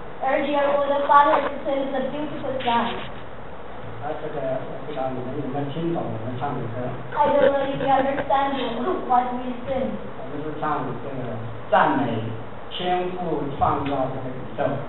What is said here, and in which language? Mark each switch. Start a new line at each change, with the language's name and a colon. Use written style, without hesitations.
English: Earlier, for the father to sing the beautiful song.
Chinese: 啊，这个我不知道你们有没有听懂我们唱的歌。
English: I don't know if you understand what we sing.
Chinese: 我们是唱这个赞美天父创造这个宇宙。